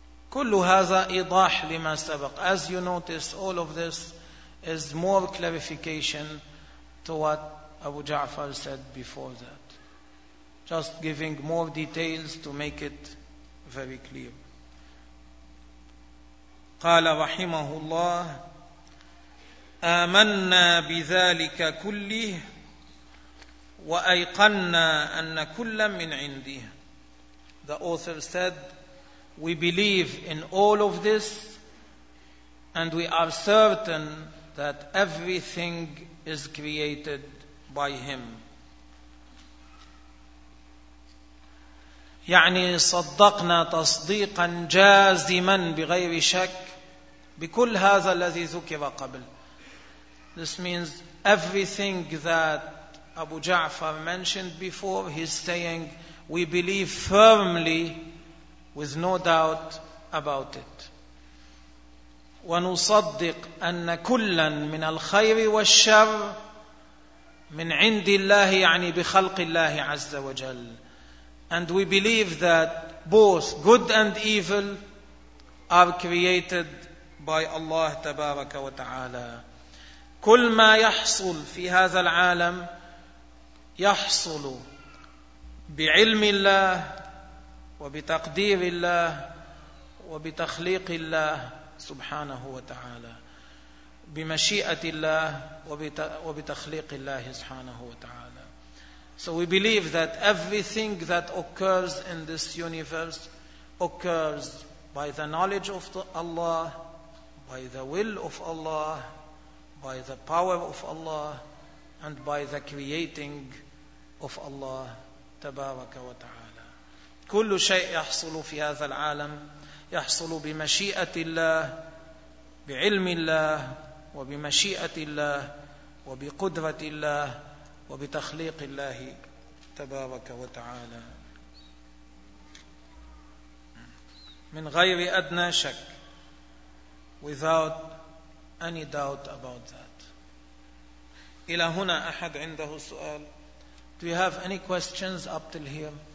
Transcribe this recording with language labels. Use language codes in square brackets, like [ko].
[ar] كل هذا إيضاح لما سبق. [en] As you notice, all of this is more clarification to what Abu Ja'far said before that. Just giving more details to make it very clear. [ar] قال رحمه الله آمنا بذلك كله وأيقنا أن كل من عنده. [en] The author said, we believe in all of this and we are certain that everything is created by him. [ar] يعني صدقنا تصديقا جازما بغير شك بكل هذا الذي ذكر قبل. [en] This means everything that Abu Ja'far mentioned before, he's saying we believe firmly with no doubt about it. [ar] ونصدق أن كلا من الخير والشر من عند الله يعني بخلق الله عز وجل. [en] And we believe that both good and evil are created by Allah [ar] تبارك وتعالى. كل ما يحصل في هذا العالم يحصل بعلم الله وبتقدير الله وبتخليق الله سبحانه وتعالى بمشيئة الله وبتخليق الله سبحانه وتعالى. [en] So we believe that everything that occurs in this universe occurs by the knowledge of Allah, by the will of Allah, by the power of Allah, and by the creating of Allah [ar] تبارك وتعالى. كل شيء يحصل في هذا العالم يحصل بمشيئة الله بعلم الله وبمشيئة الله وبقدرة الله وبتخليق الله تبارك وتعالى من غير أدنى شك. [en] Without any doubt about that. [ar] إلى هنا أحد عنده سؤال. [en] Do you have any questions up till here?